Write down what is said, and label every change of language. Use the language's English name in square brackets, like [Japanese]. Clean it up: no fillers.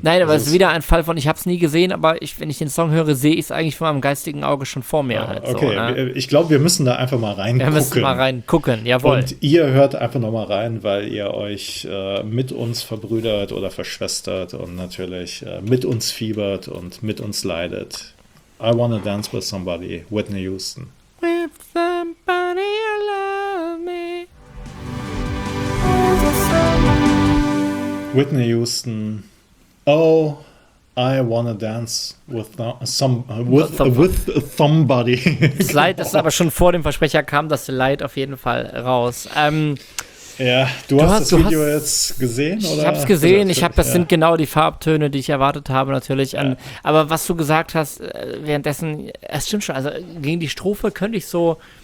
[German] Nein, aber also es ist wieder ein Fall von, ich habe es nie gesehen, aber ich, wenn ich den Song höre, sehe ich es eigentlich von meinem geistigen Auge schon vor mir. Ah, halt okay, so, ne? Ich glaube, wir müssen da einfach mal reingucken. Wir müssen mal reingucken, jawohl. Und ihr hört einfach nochmal rein, weil ihr euch mit uns verbrüdert oder verschwestert und natürlich mit uns fiebert und mit uns leidet. [English] I wanna dance with somebody, Whitney Houston. With somebody you love me. Whitney Houston, oh, I wanna dance with somebody. [German] Das Leid ist aber schon vor dem Versprecher kam, das Leid auf jeden Fall raus. Ja, du hast das Video jetzt gesehen, oder? Ich hab's gesehen, das sind genau die Farbtöne, die ich erwartet habe natürlich. Ja. Aber was du gesagt hast währenddessen, es stimmt schon, also gegen die Strophe könnte ich so...